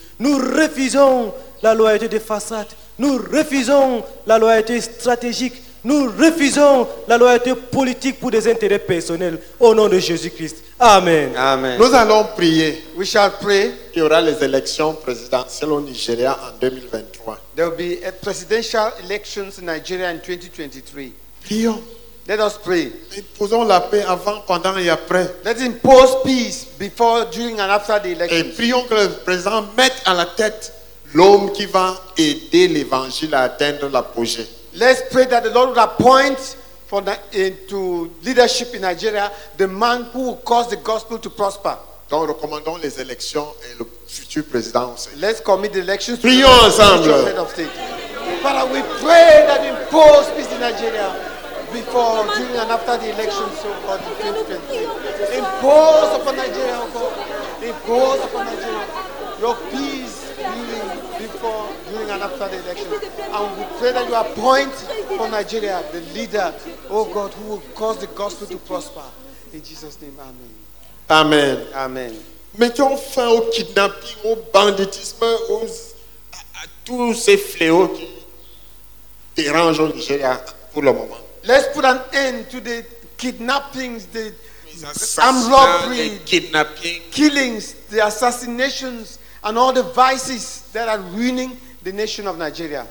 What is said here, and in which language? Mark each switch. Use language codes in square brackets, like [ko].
[fr] Nous refusons la loyauté des façades. Nous refusons la loyauté stratégique. Nous refusons la loyauté politique pour des intérêts personnels. Au nom de Jésus-Christ. Amen. Amen. Nous allons prier. [en] We shall pray. [fr] Il y aura les élections présidentielles au Nigeria en 2023. [en] There will be a presidential elections in Nigeria in 2023. [fr] Prions. [en] Let us pray. [fr] Imposons la paix avant, pendant et après. [en] Let's impose peace before, during and after the election. [fr] Et prions que le président mette à la tête l'homme qui va aider l'évangile à atteindre l'apogée. [en] Let's pray that the Lord will appoint into leadership in Nigeria the man who will cause the gospel to prosper. [fr] Donc recommandons les élections et le futur président aussi. [en] Let's commit the elections. [fr] Prions ensemble. [en] Head of state. Father, we pray that impose peace in Nigeria. Before, during, and after the election, so God, the president. Impose upon Nigeria, oh God. Impose upon Nigeria. Your peace, healing, before, during, and after the election. And we pray that you appoint for Nigeria the leader, oh God, who will cause the gospel to prosper. In Jesus' name, amen. Amen. Amen. [fr] Mettons fin au kidnapping, au banditisme, à tous ces fléaux qui dérangent au Nigeria pour le moment. [en] Let's put an end to the kidnappings, the armed robbery, killings, the assassinations, and all the vices that are ruining the nation of Nigeria.